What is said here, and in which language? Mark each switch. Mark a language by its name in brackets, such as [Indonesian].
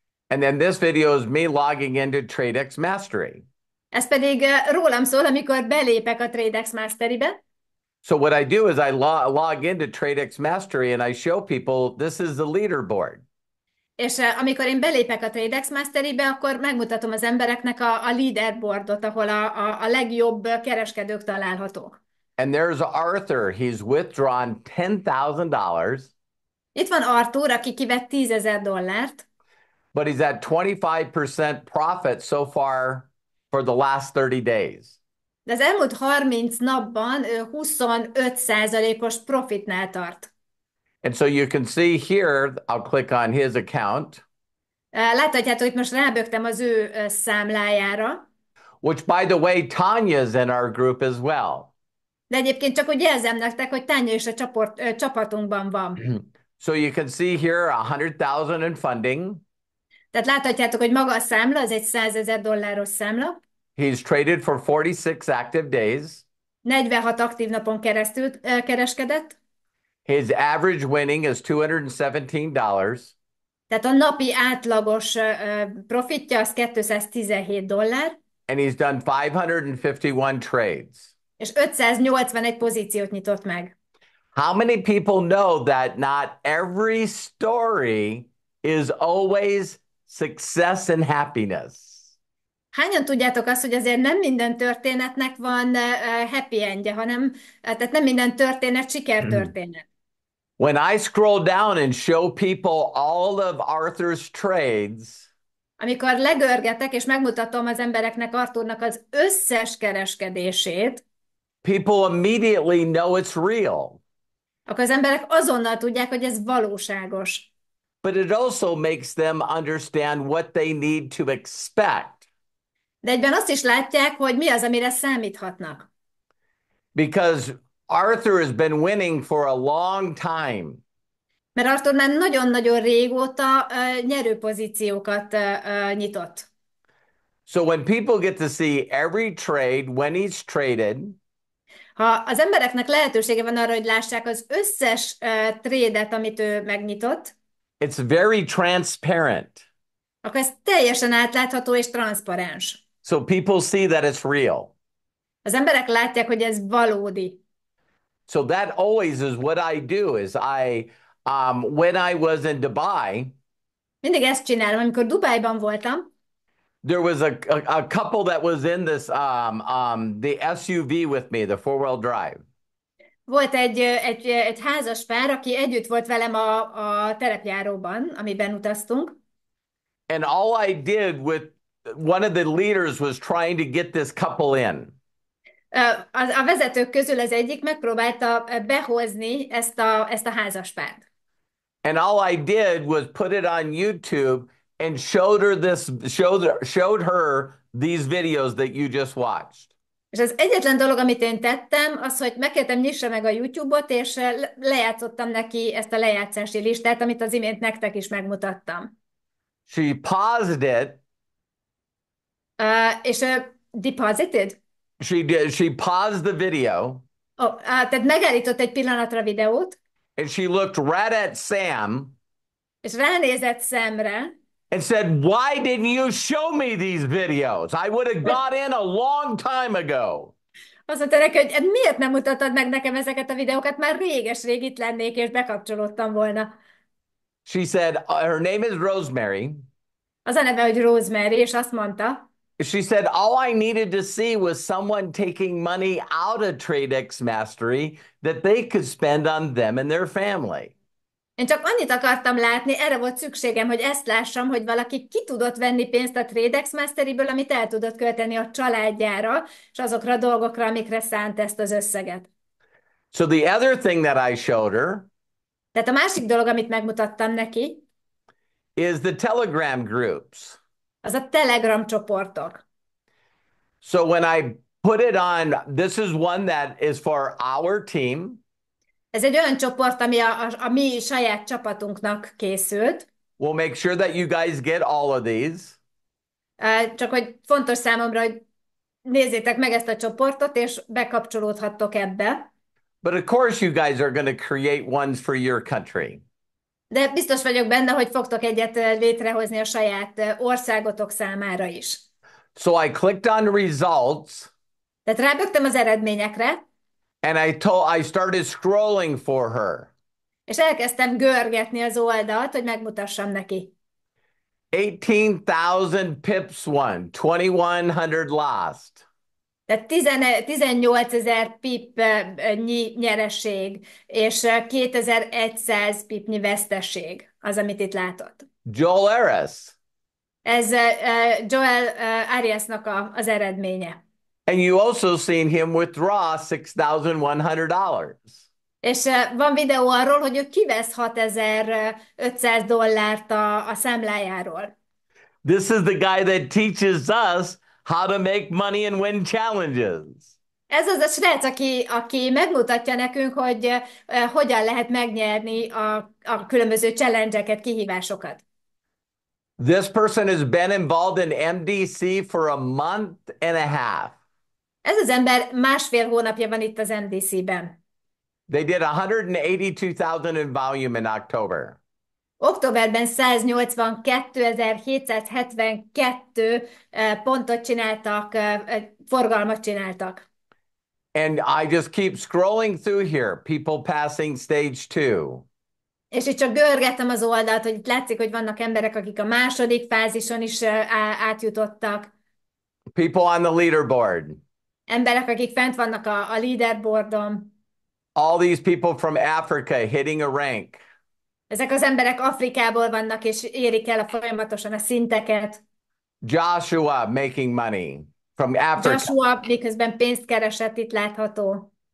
[English] And then this video is me logging into Tradexmastery. [Hungarian] Ez pedig rólam szól, amikor belépek a Tradexmastery-be. [English] So what I do is I log into Tradexmastery and I show people this is the leaderboard. [Hungarian] És amikor én belépek a Tradexmastery-be, akkor megmutatom az embereknek a leaderboardot, ahol a legjobb kereskedők találhatók. [English] And there's Arthur. He's withdrawn $10,000. [Hungarian] Itt van Arthur, aki kivett 10.000 dollárt. [English] But he's at 25% profit so far for the last 30 days. [Hungarian] De az elmúlt 30 napban ő 25%-os profitnál tart. [English] And so you can see here, I'll click on his account. [Hungarian] Láthatjátok, hogy most rábögtem az ő számlájára. [English] Which, by the way, Tanya's in our group as well. [Hungarian] De egyébként csak úgy jelzem nektek, hogy Tanya is a csapatunkban van. [English] So you can see here 100,000 in funding. [Hungarian] Tehát láthatjátok, hogy maga a számla, az egy 100.000 dolláros számla. [English] He's traded for 46 active days. [Hungarian] 46 aktív napon keresztül kereskedett. [English] His average winning is $217. [Hungarian] Tehát a napi átlagos profitja az 217 dollár. [English] And he's done 551 trades. [Hungarian] És 581 pozíciót nyitott meg. [English] How many people know that not every story is always success and happiness? [Hungarian] Hányan tudjátok azt, hogy azért nem minden történetnek van happy endje, hanem tehát nem minden történet sikertörténet. [English] When I scroll down and show people all of Arthur's trades, [Hungarian] Amikor legörgetek és megmutatom az embereknek Arthurnak az összes kereskedését, [English] people immediately know it's real. [Hungarian] akkor az emberek azonnal tudják, hogy ez valóságos. [English] But it also makes them understand what they need to expect. [Hungarian] De egyben azt is látják, hogy mi az, amire számíthatnak. [English] Because Arthur has been winning for a long time. [Hungarian] Mert Arthur már nagyon-nagyon régóta nyerő pozíciókat nyitott. [English] So when people get to see every trade, when he's traded, [Hungarian] Ha az embereknek lehetősége van arra, hogy lássák az összes trédet, amit ő megnyitott, [English] it's very transparent. [Hungarian] akkor ez teljesen átlátható és transzparens. [English] So people see that it's real. [Hungarian] Az emberek látják, hogy ez valódi. [English] So that always is what I do is I when I was in Dubai, [Hungarian] Mindig ezt csinálom, amikor Dubájban voltam. [English] there was a couple that was in this the SUV with me, the four-wheel drive. [Hungarian] Volt egy házas pár, aki együtt volt velem a terepjáróban, amiben utaztunk. [English] And all I did with one of the leaders was trying to get this couple in. [Hungarian] A vezetők közül az egyik megpróbálta behozni ezt a házas párt. [English] And all I did was put it on YouTube and showed her these videos that you just watched. [Hungarian] És az egyetlen dolog, amit én tettem, az, hogy megkértem nyissa meg a YouTube-ot, és lejátszottam neki ezt a lejátszási listát, amit az imént nektek is megmutattam. [English] She paused it. És deposited? She did. She paused the video. [Hungarian] Tehát megállított egy pillanatra videót, [English] And she looked right at Sam [Hungarian] és ránézett szemre, [English] and said, "Why didn't you show me these videos? I would have got in a long time ago." [Hungarian] azt mondta neki, hogy miért nem mutattad meg nekem ezeket a videókat, már réges-rég itt lennék, és bekapcsolódtam volna. [English] She said, her name is Rosemary. [Hungarian] Az a neve, hogy Rosemary, és azt mondta, [English] She said, all I needed to see was someone taking money out of Tradexmastery that they could spend on them and their family. [Hungarian] én csak annyit akartam látni, erre volt szükségem, hogy ezt lássam, hogy valaki ki tudott venni pénzt a Tradexmasteryből, amit el tudott költeni a családjára, és azokra a dolgokra, amikre szánt ezt az összeget. [English] So the other thing that I showed her [Hungarian] Tehát a másik dolog, amit megmutattam neki, [English] is the Telegram groups. [Hungarian] az a Telegram csoportok. [English] So when I put it on, this is one that is for our team. [Hungarian] Ez egy olyan csoport, ami a mi saját csapatunknak készült. [English] We'll make sure that you guys get all of these. [Hungarian] Csak hogy fontos számomra, hogy nézzétek meg ezt a csoportot, és bekapcsolódhattok ebbe. [English] But of course, you guys are going to create ones for your country. [Hungarian] De biztos vagyok benne, hogy fogtok egyet létrehozni a saját országotok számára is. [English] So I clicked on results [Hungarian] Tehát rábögtem az eredményekre. [English] and I started scrolling for her. [Hungarian] És elkezdtem görgetni az oldalt, hogy megmutassam neki. [English] 18,000 pips won, 2,100 lost. [Hungarian] Tehát 18.000 pipnyi nyereség, és 2.100 pipnyi veszteség az, amit itt látott. [English] Joel Harris. [Hungarian] Ez Joel Ariasnak az eredménye. [English] And you also seen him withdraw $6,100. [Hungarian] És van videó arról, hogy ő kivesz 6.500 dollárt a számlájáról. [English] This is the guy that teaches us how to make money and win challenges. [Hungarian] Ez az a srác, aki megmutatja nekünk, hogy hogyan lehet megnyerni a különböző challenge-eket, kihívásokat. [English] This person has been involved in MDC for a month and a half. [Hungarian] Ez az ember másfél hónapja van itt az MDC-ben. [English] They did 182,000 in volume in October. [Hungarian] Októberben 182.772 pontot csináltak, forgalmat csináltak. [English] And I just keep scrolling through here, people passing stage two. [Hungarian] És itt csak görgettem az oldalt, hogy itt látszik, hogy vannak emberek, akik a második fázison is átjutottak. [English] People on the leaderboard. [Hungarian] Emberek, akik fent vannak a leaderboardon. [English] All these people from Africa hitting a rank. [Hungarian] Ezek az emberek Afrikából vannak, és érik el folyamatosan a szinteket. [English] Joshua making money from Africa. [Hungarian] Joshua miközben pénzt keresett, itt látható.